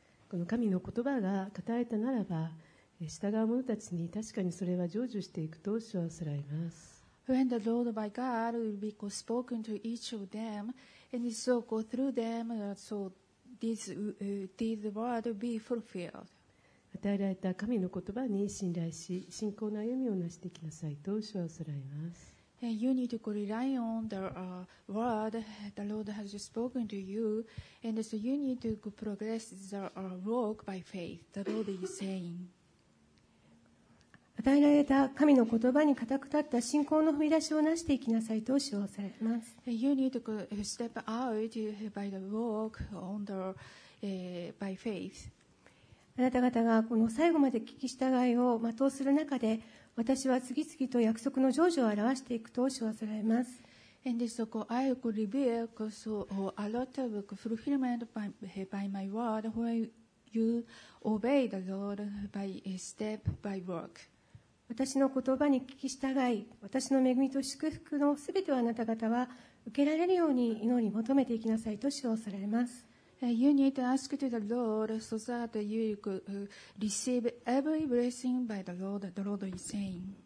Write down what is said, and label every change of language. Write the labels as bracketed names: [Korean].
[Japanese] この神の言葉が語られたならば、従う者たちに確かにそれは成就していくと主は仰られます。 [English] When the Lord by God will be spoken to each of them, and so go through them, so these words will be fulfilled. [Japanese] 与えられた神の言葉に信頼し、信仰の歩みをなしていきなさいと主は仰られます。 [English] And you need to rely on the word the Lord has spoken to you, and so you need to progress the walk by faith the Lord is saying. [Japanese] 与えられた神の言葉に固く立った信仰の踏み出しをなしていきなさいと主はされます。 [English] You need to step out by the walk on the, by faith. [Japanese] あなた方がこの最後まで聞き従いを全うする中で、私は次々と約束の成就を表していくと主はされます。 [English] And so I will reveal a lot of fulfillment by my word when you obey the Lord by step by walk. [Japanese] 私の言葉に聞き従い、私の恵みと祝福のすべてをあなた方は受けられるように祈り求めていきなさいと主は仰られます。 [English] You need to ask to the Lord so that you could receive every blessing by the Lord, the Lord is saying.